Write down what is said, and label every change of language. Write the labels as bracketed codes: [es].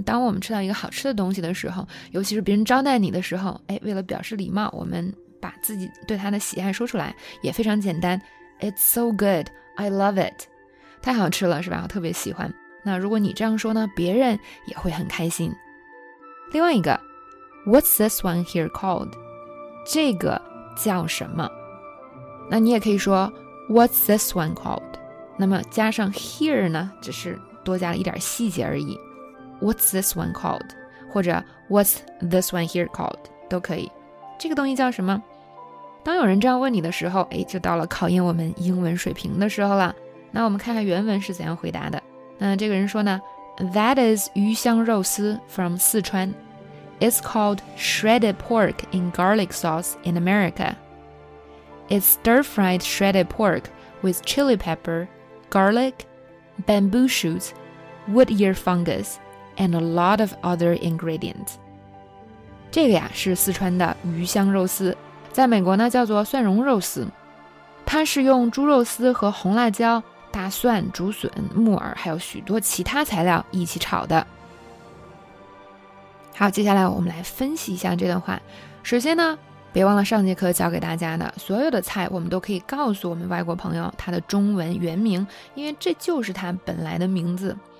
[zh] 当我们吃到一个好吃的东西的时候，尤其是别人招待你的时候，哎，为了表示礼貌，我们把自己对它的喜爱说出来，也非常简单。 [en] It's so good. I love it. [zh] 太好吃了，是吧？我特别喜欢。那如果你这样说呢，别人也会很开心。另外一个。 [en] What's this one here called? [zh] 这个叫什么？那你也可以说 [en] What's this one called? [zh] 那么加上 here 呢，只是多加了一点细节而已。 [en] What's this one called? [zh] 或者 [en] What's this one here called? [zh] 都可以。这个东西叫什么？当有人这样问你的时候，哎，就到了考验我们英文水平的时候了。那我们看看原文是怎样回答的。那这个人说呢， That is 鱼香肉丝 from 四川。 [en] It's called shredded pork in garlic sauce in America. It's stir-fried shredded pork with chili pepper, garlic, bamboo shoots, wood ear fungus, and a lot of other ingredients. [zh] 这个呀是四川的鱼香肉丝，在美国呢叫做蒜蓉肉丝。它是用猪肉丝和红辣椒、大蒜、竹笋、木耳，还有许多其他材料一起炒的。好，接下来我们来分析一下这段话。首先呢，别忘了上节课教给大家的所有的菜，我们都可以告诉我们外国朋友它的中文原名，因为这就是它本来的名字。